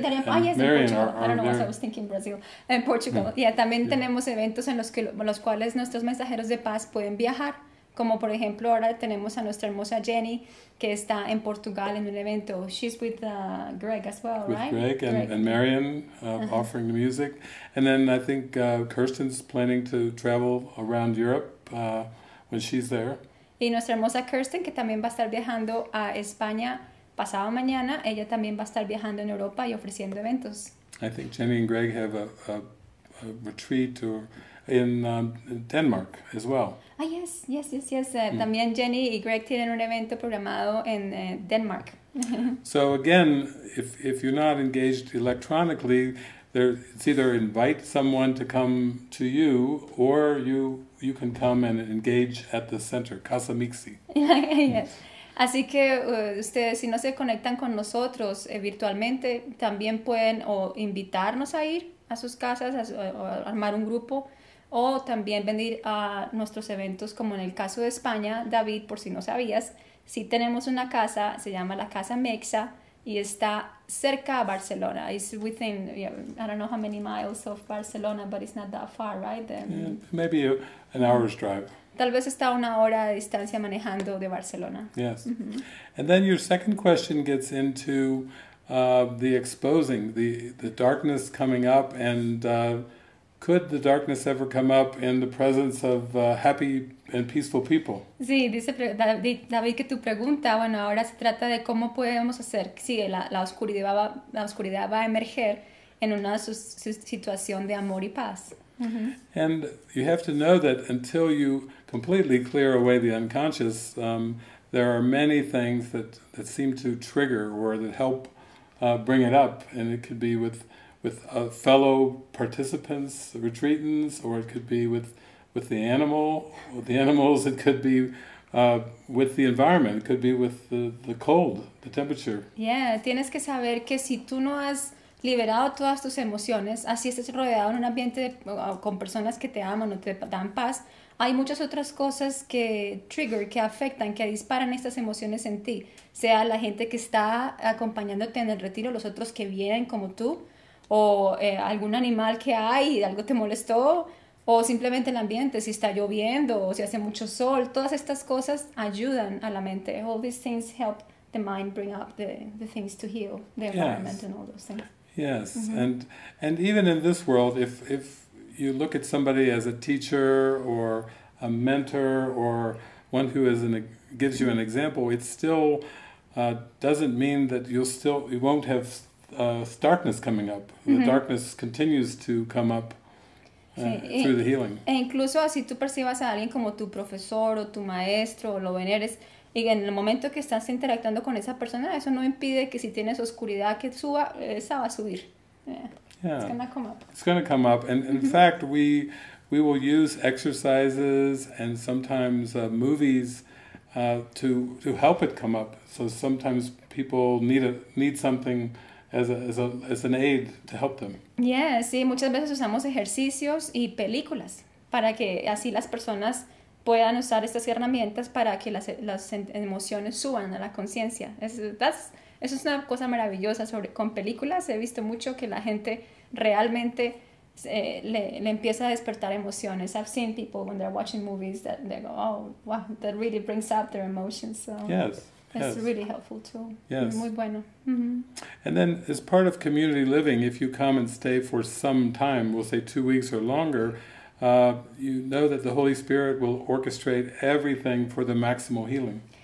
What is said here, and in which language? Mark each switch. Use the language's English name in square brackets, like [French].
[English] Jenny and ah, yes, Marion Portugal. are I don't know why there. I was thinking Brazil. [Spanish] En Portugal. [English] Yeah. [Spanish] Yeah, también [English] Yeah. [Spanish] tenemos eventos en los que los cuales nuestros mensajeros de paz pueden viajar. Como por ejemplo, ahora tenemos a nuestra hermosa Jenny, que está en Portugal en un evento. [English] She's with Greg as well, With right? Greg and Greg. Marion offering the music. And then I think Kirsten's planning to travel around Europe when she's there. [Spanish] Y nuestra hermosa Kirsten, que también va a estar viajando a España pasado mañana, ella también va a estar viajando en Europa y ofreciendo eventos. [English] I think Jenny and Greg have a retreat or in Denmark as well. Ah, yes, yes, yes, yes. [Spanish] También Jenny y Greg tienen un evento programado en Denmark. [English] So again, if you're not engaged electronically, it's either invite someone to come to you, or you can come and engage at the center, Casa Mixi. Yes. [Spanish] Así que ustedes, si no se conectan con nosotros virtualmente, también pueden o invitarnos a ir a sus casas, o armar un grupo, o también venir a nuestros eventos, como en el caso de España, David, por si no sabías, sí tenemos una casa, se llama la Casa Mexa, y está cerca a Barcelona. [English] It's within, yeah, I don't know how many miles of Barcelona, but it's not that far, right? Yeah, maybe an hour's drive. [Spanish] Tal vez está una hora de distancia manejando de Barcelona. [English] Yes. And then your second question gets into the exposing, the darkness coming up, and could the darkness ever come up in the presence of happy and peaceful people? [Spanish] Sí, dice David que tu pregunta, bueno, ahora se trata de cómo podemos hacer si la oscuridad va a emerger en una situación de amor y paz. [English] And you have to know that until you completely clear away the unconscious, there are many things that seem to trigger or that help bring it up, and it could be with fellow participants, retreatants, or it could be with the animal, with the animals, it could be with the environment, it could be with the cold, the temperature. [Spanish] Yeah, tienes que saber que si tú no has liberado todas tus emociones, así estés rodeado en un ambiente con personas que te aman o te dan paz, hay muchas otras cosas que trigger, que afectan, que disparan estas emociones en ti, sea la gente que está acompañándote en el retiro, los otros que vienen como tú, o algún animal que hay y algo te molestó, o simplemente el ambiente, si está lloviendo, o si hace mucho sol, todas estas cosas ayudan a la mente. [English] All these things help the mind bring up the things to heal, the environment, yes. And all those things. Yes, mm-hmm. And even in this world, if you look at somebody as a teacher or a mentor or one who is gives you an example, it still doesn't mean that you won't have darkness coming up. Mm-hmm. The darkness continues to come up through the healing. [Spanish] E incluso así tú percibas a alguien como tu profesor o tu maestro o lo veneres, y en el momento que estás interactuando con esa persona, eso no impide que si tienes oscuridad que suba, esa va a subir. [English] Yeah. It's gonna come up. It's gonna come up. And in fact, we will use exercises and sometimes movies to help it come up. So sometimes people need something as an aid to help them. [Spanish] Yeah, sí, muchas veces usamos ejercicios y películas para que así las personas puedan usar estas herramientas para que las emociones suban a la conciencia. Eso es una cosa maravillosa con películas. He visto mucho que la gente realmente le empieza a despertar emociones. [English] I've seen people when they're watching movies that they go, oh, wow, that really brings up their emotions. So yes, it's Really helpful too. Yes. [Spanish] Muy bueno. Mm-hmm. [English] And then as part of community living, if you come and stay for some time, we'll say 2 weeks or longer, you know that the Holy Spirit will orchestrate everything for the maximal healing.